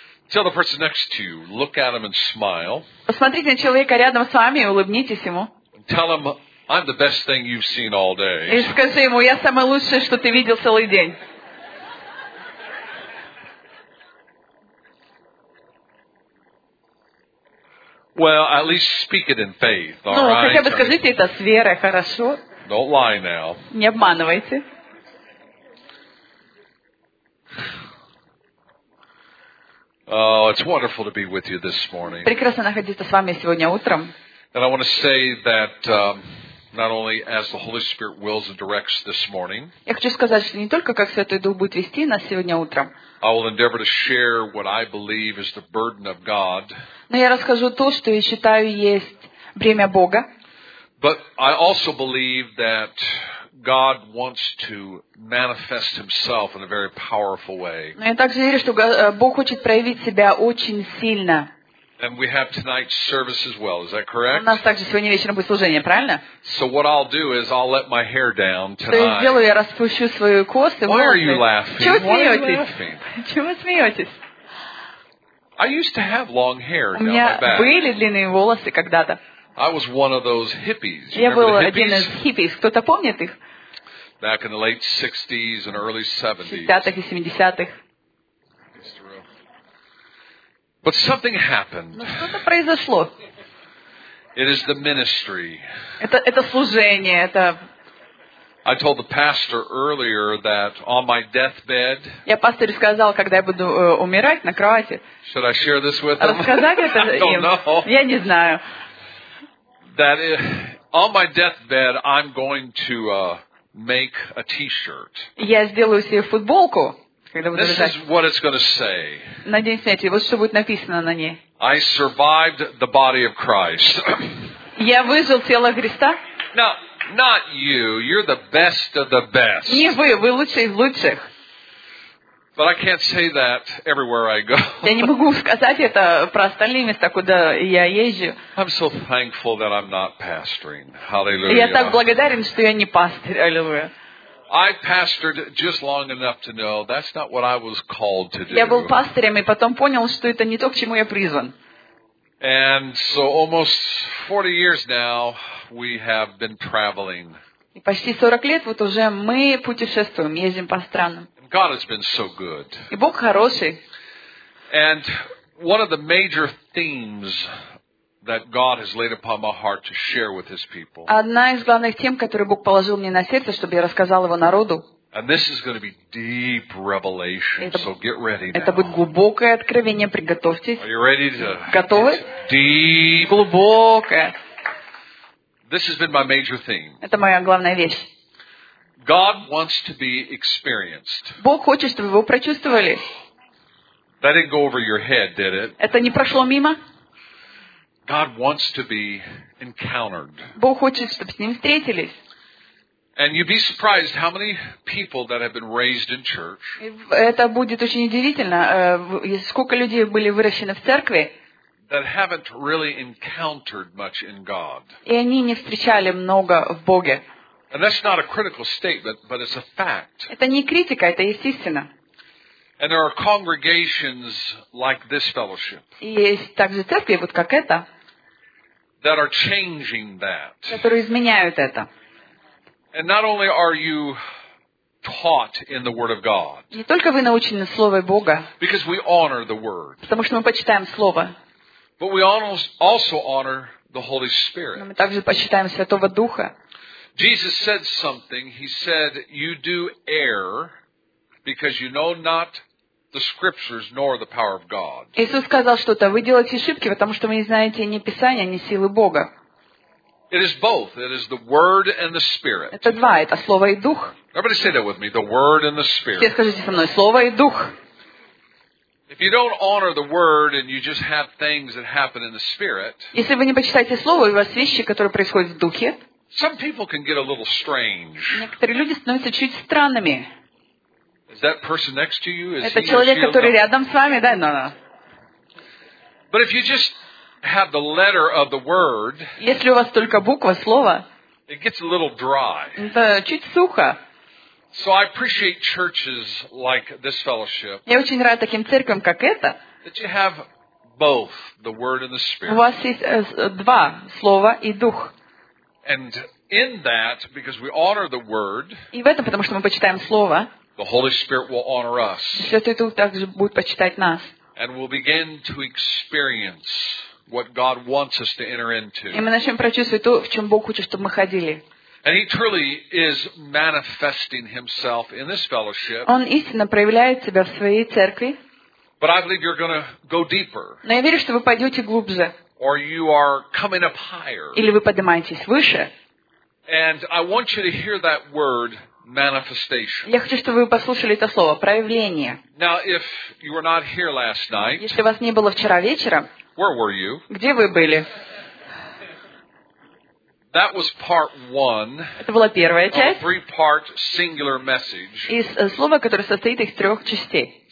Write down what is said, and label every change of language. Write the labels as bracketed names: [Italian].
[English] Tell the person next to you, look at him and smile. [Russian] Посмотрите на человека рядом с вами и улыбнитесь ему. [English] Tell him, I'm the best thing you've seen all day. [Russian] И скажи ему, я самое лучшее, что ты видел целый день. [English] Well, at least speak it in faith, all [Russian] ну, [English] right? [Russian] Хотя бы скажите это с верой, хорошо? [English] Don't lie now. [Russian] Не обманывайте. [English] Oh, it's wonderful to be with you this morning. [Russian] Прекрасно находиться с вами сегодня утром. [English] And I want to say that not only as the Holy Spirit wills and directs this morning. [Russian] Я хочу сказать, что не только как Святой Дух будет вести нас сегодня утром. [English] I will endeavor to share what I believe is the burden of God. [Russian] Но я расскажу то, что я считаю есть бремя Бога. [English] But I also believe that God wants to manifest himself in a very powerful way. [Russian] Но я также верю, что Бог хочет проявить себя очень сильно. [English] And we have tonight's service as well, is that correct? [Russian] У нас также сегодня вечером будет служение, правильно? [English] So what I'll do is I'll let my hair down tonight. [Russian] Что я сделаю, я распущу свою косу. [English] Why are you laughing? [Russian] Чего смеетесь? Чего смеетесь? [English] I used to have long hair down my back. [Russian] У меня были длинные волосы когда-то. [English] I was one of those hippies. [Russian] Я был один из хиппис. Кто-то помнит их? [English] Back in the late 60s and early 70s. [Russian] 60-х и 70-х. [English] But something happened. [Russian] Но что-то произошло. [English] It is the ministry. [Russian] Это служение, это... [English] I told the pastor earlier that on my deathbed. [Russian] Я пастору сказал, когда я буду умирать на кровати. [English] Should I share this with him? [Russian] Рассказать это [English] I don't know. [Russian] Я не знаю. [English] That is, on my deathbed, I'm going to make a T-shirt. [Russian] Я сделаю себе футболку, когда буду лежать. [English] This is what it's going to say. [Russian] Надень снять, вот что будет написано на ней. [English] I survived the body of Christ. [Russian] Я выжил тело Христа. [English] Now, not you. You're the best of the best. [Russian] Не вы, вы лучший из лучших. [English] But I can't say that everywhere I go. [Russian] Я не могу сказать это про остальные места, куда я езжу. [English] I'm so thankful that I'm not pastoring. Hallelujah. [Russian] Я так благодарен, что я не пастырь. Аллилуйя. [English] I pastored just long enough to know that's not what I was called to do. [Russian] Я был пастырем и потом понял, что это не то, к чему я призван. [English] And so almost 40 years now we have been traveling. [Russian] И почти 40 лет вот уже мы путешествуем, ездим по странам. [English] God has been so good. [Russian] И Бог хороший. [English] And one of the major themes that God has laid upon my heart to share with his people. [Russian] Одна из главных тем, которые Бог положил мне на сердце, чтобы я рассказал его народу. [English] And this is going to be deep revelation. So get ready now. [Russian] Это будет глубокое откровение, приготовьтесь. [English] Are you ready to? [Russian] Готовы? [English] Deep. [Russian] Глубокое. [English] This has been my major theme. [Russian] Это моя главная вещь. [English] God wants to be experienced. [Russian] Бог хочет, чтобы вы прочувствовали. [English] That didn't go over your head, did it? [Russian] Это не прошло мимо? [English] God wants to be encountered. [Russian] Бог хочет, чтобы с ним встретились. [English] And you'd be surprised how many people that have been raised in church. [Russian] Это будет очень удивительно, сколько людей были выращены в церкви. [English] That haven't really encountered much in God. [Russian] И они не встречали много в Боге. [English] And that's not a critical statement, but it's a fact. [Russian] Это не критика, это истина. [English] And there are congregations like this fellowship. [Russian] И есть также церкви, вот как это. [English] That are changing that. [Russian] Которые изменяют это. [English] And not only are you taught in the Word of God. [Russian] Не только вы научены Слову Бога. [English] Because we honor the Word. [Russian] Потому что мы почитаем Слово. [English] But we also honor the Holy Spirit. [Russian] Но мы также почитаем Святого Духа. [English] Jesus said something. He said, "You do err because you know not the Scriptures nor the power of God." [Russian] Иисус сказал что-то. Вы делаете ошибки, потому что вы не знаете ни Писания, ни силы Бога. [English] It is both. It is the Word and the Spirit. [Russian] Это два. Это Слово и Дух. [English] Everybody say that with me. The Word and the Spirit. [Russian] Все скажите со мной. Слово и Дух. [English] If you don't honor the word and you just have things that happen in the spirit, [Russian] если вы не почитаете слово, у вас вещи, которые происходят в духе, [English] some people can get a little strange. [Russian] Некоторые люди становятся чуть странными. [English] Is that person next to you? [Russian] Это человек, который рядом с вами, да? [English] No, no. But if you just have the letter of the word, [Russian] если у вас только буква слова, [English] it gets a little dry. [Russian] Это чуть сухо. [English] So I appreciate churches like this fellowship. [Russian] Я очень рад таким церквям, как эта. [English] That you have both the word and the spirit. [Russian] У вас есть два слова и дух. [English] And in that, because we honor the word. [Russian] И в этом, потому что мы почитаем слово. [English] The Holy Spirit will honor us. [Russian] Святой Дух также будет почитать нас. [English] And we'll begin to experience what God wants us to enter into. [Russian] И мы начнем прочувствовать то, в чем Бог хочет, чтобы мы ходили. [English] And he truly is manifesting himself in this fellowship. [Russian] Он истинно проявляет себя в своей церкви. [English] But I believe you're going to go deeper. [Russian] Но я верю, что вы пойдете глубже. [English] Or you are coming up higher. [Russian] Или вы поднимаетесь выше. [English] And I want you to hear that word manifestation. [Russian] Я хочу, чтобы вы послушали это слово проявление. [English] Now, if you were not here last night, [Russian] если вас не было вчера вечером, [English] where were you? [Russian] Где вы были? [English] That was part one. [Russian] Это была первая часть. [English] Three-part singular message. [Russian] Из слова, которое состоит из трех частей.